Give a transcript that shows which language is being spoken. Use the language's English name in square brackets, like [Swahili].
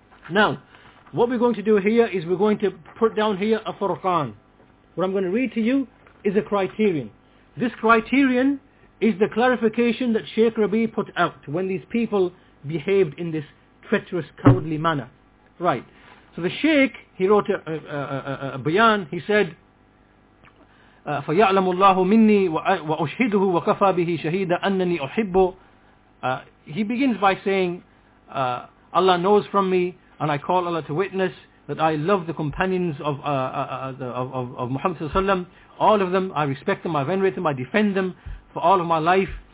[English] Now, what we're going to do here is we're going to put down here a Furqan. What I'm going to read to you is a criterion. This criterion is the clarification that Sheikh Rabi put out when these people behaved in this treacherous, cowardly manner. Right. So the Sheikh, he wrote a bayan. He said, [Arabic] فَيَعْلَمُ اللَّهُ مِنِّي وَأُشْهِدُهُ وَكَفَى بِهِ شَهِيدًا أَنَّنِي أُحِبُّ. [English] He begins by saying, Allah knows from me, and I call Allah to witness that I love the companions of Muhammad [Arabic] sallallahu alaihi wasallam. [English] All of them, I respect them, I venerate them, I defend them for all of my life.